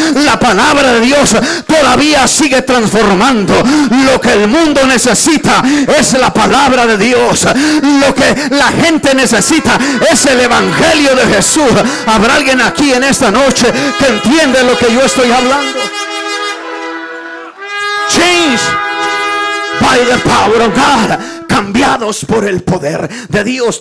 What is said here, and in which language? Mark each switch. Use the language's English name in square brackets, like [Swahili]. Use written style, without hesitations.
[Spanish] La palabra de Dios todavía sigue transformando. Lo que el mundo necesita es la palabra de Dios. Lo que la gente necesita es el Evangelio de Jesús. ¿Habrá alguien aquí en esta noche que entiende lo que yo estoy hablando? [English] Change by the power of God. [Spanish] Cambiados por el poder de Dios.